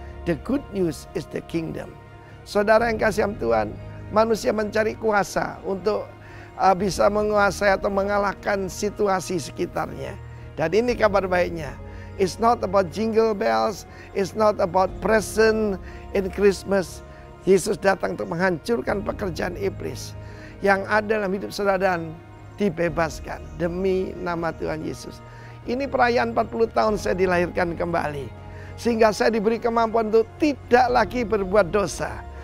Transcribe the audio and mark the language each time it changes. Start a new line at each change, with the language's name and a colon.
English: The good news is the kingdom.
Indonesian: Saudara yang kasih Tuhan, manusia mencari kuasa untuk bisa menguasai atau mengalahkan situasi sekitarnya. Dan ini kabar baiknya.
English: It's not about jingle bells, it's not about present in Christmas.
Indonesian: Yesus datang untuk menghancurkan pekerjaan iblis. Yang ada dalam hidup saudara dan dibebaskan demi nama Tuhan Yesus. Ini perayaan 40 tahun saya dilahirkan kembali. Sehingga saya diberi kemampuan untuk tidak lagi berbuat dosa.